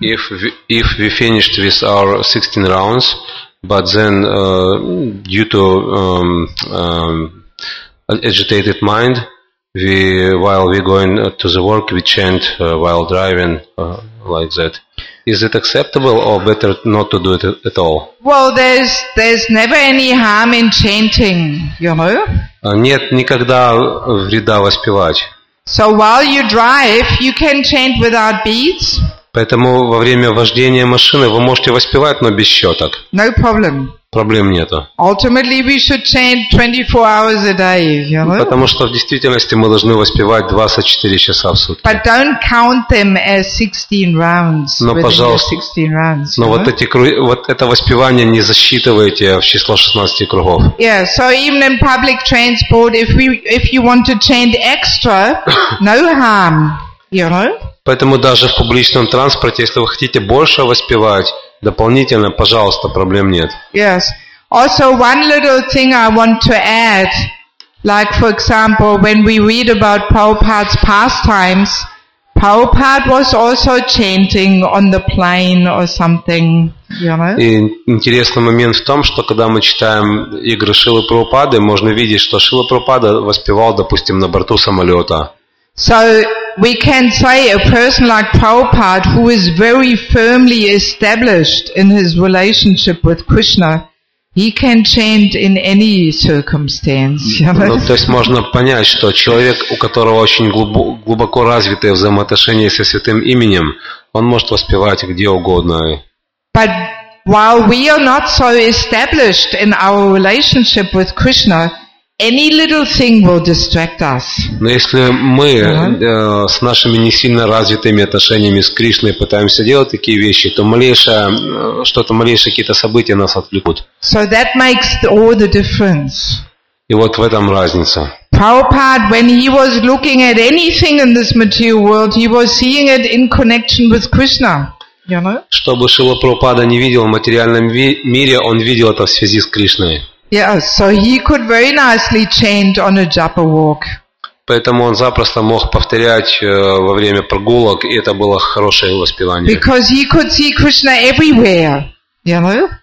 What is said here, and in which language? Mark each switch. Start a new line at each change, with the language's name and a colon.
English: If we finished with our 16 rounds, but then due to agitated mind, while we're going to the work, we chant while driving, like that. Is it acceptable or better not to do it at all? Well, there's never any harm in chanting, you know?
Russian: Нет никогда вреда воспевать.
English: So while you drive, you can chant without beats.
Russian: Поэтому во время вождения машины вы можете воспевать, но без щеток.
English: No problem.
Russian: Проблем нету.
English: Ultimately, we should chant 24 hours a day. You know?
Russian: Потому что в действительности мы должны воспевать 24 часа в сутки.
English: But don't count them as 16 rounds.
Russian: Но пожалуйста.
English: 16 rounds,
Russian: но вот эти вот это воспевание не засчитывайте в число 16 кругов.
English: Yeah. So even in public transport, if you want to chant extra, no harm. You know?
Russian: Поэтому даже в публичном транспорте, если вы хотите больше воспевать дополнительно, пожалуйста, проблем нет.
English: Yes. Also, one little thing I want to add, like for example, when we read about Prabhupada's pastimes, Prabhupada was also chanting on the plane or something. You know?
Russian: И интересный момент в том, что когда мы читаем игры Шилы Прабхупады, можно видеть, что Шила Прабхупада воспевал, допустим, на борту самолета.
English: So we can say a person like Prabhupada, who is very firmly established in his relationship with Krishna, he can chant in any circumstance.
Russian: Ну, то есть можно понять, что человек, у которого очень глубоко развитое взаимоотношение со святым именем, он может воспевать где угодно.
English: But while we are not so established in our relationship with Krishna, any little thing will distract us.
Russian: Но если мы с нашими не сильно развитыми отношениями с Кришной пытаемся делать такие вещи, то малейшее какие-то события нас отвлекут.
English: So that makes all the difference.
Russian: И вот в этом разница.
English: Prabhupada, when he was looking at anything in this material world, he was seeing it in connection with Krishna. You know?
Russian: Чтобы Шрила Прабхупада не видел в материальном мире, он видел это в связи с Кришной.
English: Yeah, so he could very nicely chant on a japa walk.
Russian: Поэтому он запросто мог повторять во время прогулок, и это было хорошее воспевание.
English: Because he could see Krishna everywhere, you know?